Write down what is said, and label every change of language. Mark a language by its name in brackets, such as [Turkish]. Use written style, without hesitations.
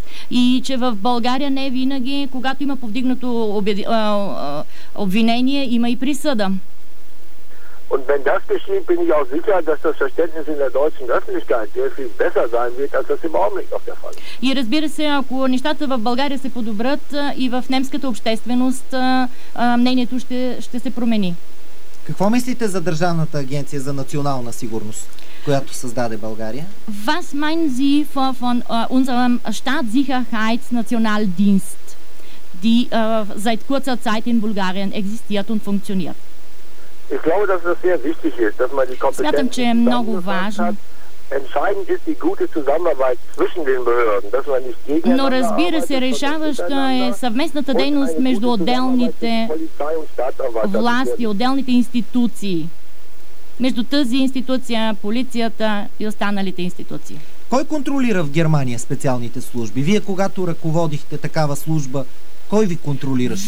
[Bulgarian] И че в България не винаги, когато има повдигнато обвинение, има и присъда. [German] Und wenn das geschieht, bin ich auch sicher, dass das Verständnis in der deutschen Öffentlichkeit sehr viel besser sein wird, als das im Augenblick noch der Fall ist. [Bulgarian] И разбира се, ако нещата в България се подобрят и в немската общественост, мнението ще се промени. Какво мислите за Държавната агенция за национална сигурност, която създаде България? [German] Was meinen Sie von unserem Staatssicherheitsnationaldienst, die seit kurzer Zeit in Bulgarien existiert und funktioniert? Ich glaube, dass das sehr wichtig ist, dass man die Kompetenzen zusammenfasst. Entscheidend ist die gute Zusammenarbeit zwischen den Behörden, dass man nicht gegeneinander arbeitet. [Bulgarian] Но разбира се, решаващо е съвместната дейност между отделните власти, отделните институции. Между тази институция, полицията и останалите институции. Кой контролира в Германия специалните служби? Вие, когато ръководихте такава служба, кой ви контролираше?